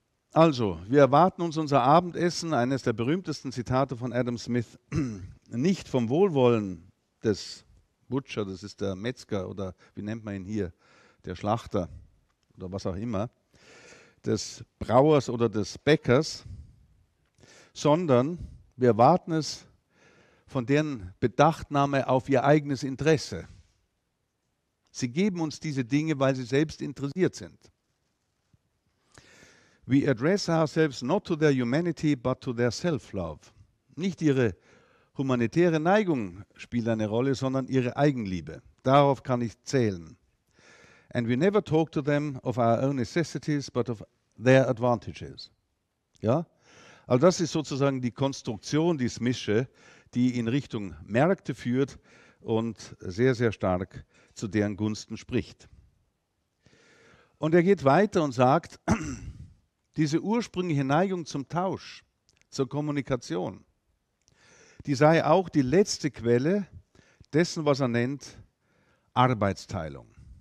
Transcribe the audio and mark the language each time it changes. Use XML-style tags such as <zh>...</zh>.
<de>Also, wir erwarten uns unser Abendessen, eines der berühmtesten Zitate von Adam Smith, nicht vom Wohlwollen des Butcher, das ist der Metzger oder wie nennt man ihn hier, der Schlachter oder was auch immer, des Brauers oder des Bäckers, sondern wir erwarten es von deren Bedachtnahme auf ihr eigenes Interesse. Sie geben uns diese Dinge, weil sie selbst interessiert sind.</de> <en>We address ourselves not to their humanity, but to their self-love.</en> <de>Nicht ihre humanitäre Neigung spielt eine Rolle, sondern ihre Eigenliebe. Darauf kann ich zählen.</de> <en>And we never talk to them of our own necessities, but of their advantages.</en> <de>Ja? Also das ist sozusagen die Konstruktion, die Smith'sche, die in Richtung Märkte führt und sehr, sehr stark zu deren Gunsten spricht. Und er geht weiter und sagt, diese ursprüngliche Neigung zum Tausch, zur Kommunikation, die sei auch die letzte Quelle dessen, was er nennt, Arbeitsteilung.</de>